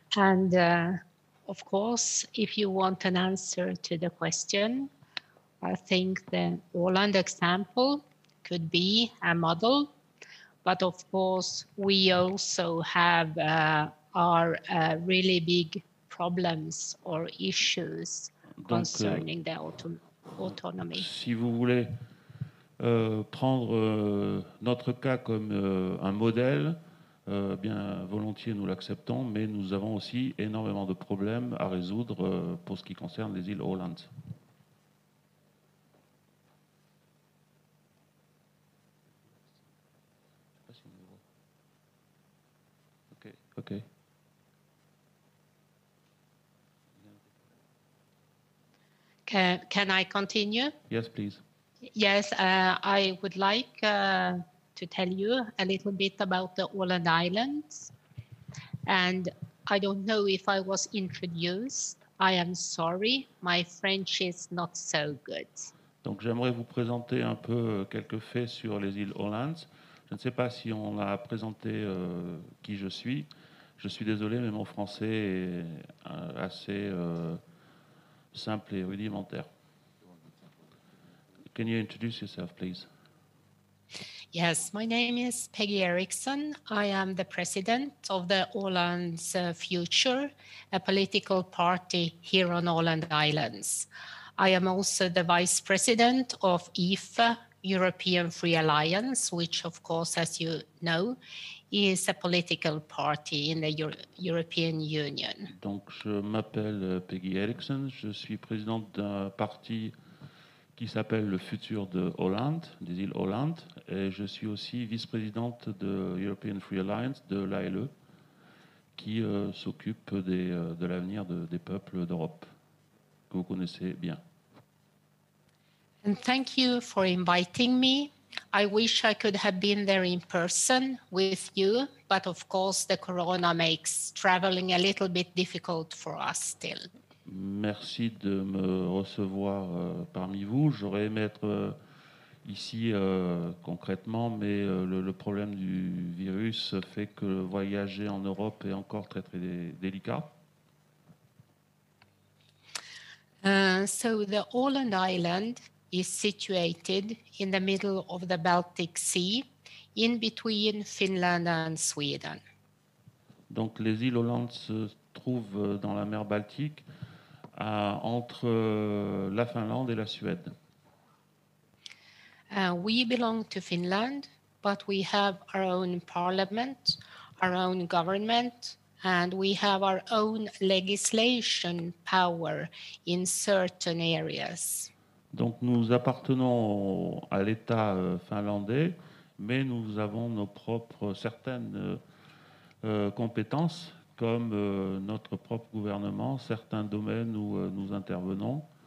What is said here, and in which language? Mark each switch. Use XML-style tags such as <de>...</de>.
<en>And of course, if you want an answer to the question, I think the Orland example could be a model. But of course, we also have our really big problems or issues concerning the autonomy.</en> <fr>Si vous voulez prendre notre cas comme un modèle, bien volontiers nous l'acceptons, mais nous avons aussi énormément de problèmes à résoudre pour ce qui concerne les îles Åland.</fr> <en>OK. Can I continue? Yes, please. Yes, I would like to tell you a little bit about the Åland Islands. And I don't know if I was introduced. I am sorry, my French is not so good.</en> <fr>Donc j'aimerais vous présenter un peu quelques faits sur les îles Åland. Je ne sais pas si on a présenté qui je suis. Je suis désolé, mais mon français est assez simple et rudimentaire.</fr> <en>Can you introduce yourself, please? Yes, my name is Peggy Eriksson. I am the president of the Åland's Future, a political party here on Åland Islands. I am also the vice president of IFA, European Free Alliance, which, of course, as you know, is a political party in the European Union.</en> <fr>Donc, je m'appelle Peggy Eriksson. Je suis présidente d'un parti qui s'appelle le Futur de Holland, des îles Holland, et je suis aussi vice-présidente de European Free Alliance, de l'ALE, qui s'occupe de l'avenir des peuples d'Europe, que vous connaissez bien.</fr> <en>And thank you for inviting me. I wish I could have been there in person with you, but of course the corona makes traveling a little bit difficult for us still.</en> <fr>Merci de me recevoir parmi vous. J'aurais aimé être ici concrètement, mais le problème du virus fait que voyager en Europe est encore très très délicat.</fr> <en>So the Åland Island is situated in the middle of the Baltic Sea, in between Finland and Sweden.</en> <fr>Donc les îles Åland se trouvent dans la mer Baltique, entre la Finlande et la Suède.</fr> <en>We belong to Finland, but we have our own parliament, our own government, and we have our own legislation power in certain areas.</en> <fr>Donc nous appartenons à l'État finlandais, mais nous avons nos propres certaines compétences, comme notre propre gouvernement, certains domaines où nous intervenons,</fr>